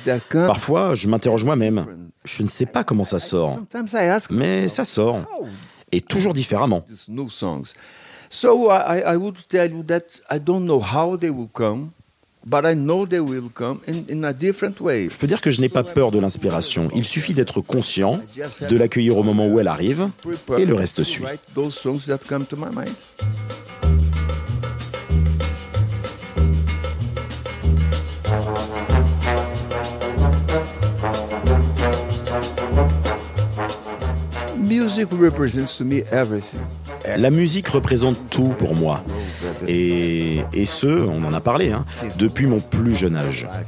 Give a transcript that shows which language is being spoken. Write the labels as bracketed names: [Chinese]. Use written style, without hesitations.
[French] Parfois, je m'interroge moi-même. Je ne sais pas comment ça sort, mais ça sort. Et toujours différemment. [English] So I would tell you that I don't know how they will come, but I know they will come in a different way. [French] Je peux dire que je n'ai pas peur de l'inspiration. Il suffit d'être conscient, de l'accueillir au moment où elle arrive, et le reste suit. [English] Those songs that come to my mind. Music represents to me everything. [French] La musique représente tout pour moi. Et ce, on en a parlé, hein, depuis mon plus jeune âge.